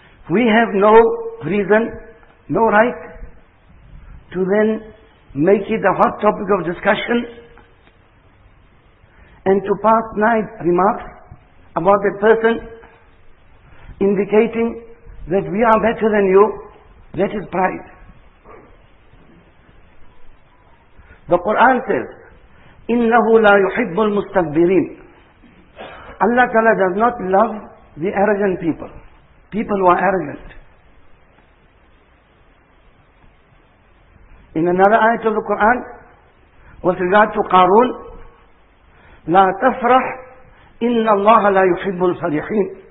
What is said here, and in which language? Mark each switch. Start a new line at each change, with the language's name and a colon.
English: We have no reason, no right, to then make it a hot topic of discussion and to pass nice remarks about that person, indicating that we are better than you. That is pride. The Quran says,
Arabic: إِنَّهُ لَا يُحِبُّ الْمُسْتَكْبِرِينَ.
English: Allah Ta'ala does not love the arrogant people, people who are arrogant. In another ayat of the Quran, with regard to Qarun,
Arabic: لَا تَفْرَحْ إِنَّ اللَّهَ لَا يُحِبُّ الْفَرِحِينَ.